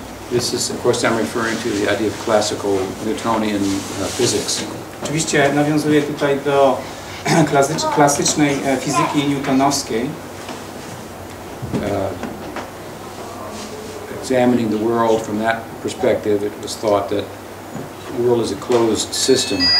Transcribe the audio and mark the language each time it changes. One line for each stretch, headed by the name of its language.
English: This is, of course, I'm referring to the idea of classical Newtonian physics.
Polish: Oczywiście nawiązuję tutaj do klasycznej fizyki newtonowskiej.
English: Examining the world from that perspective, it was thought that the world is a closed system.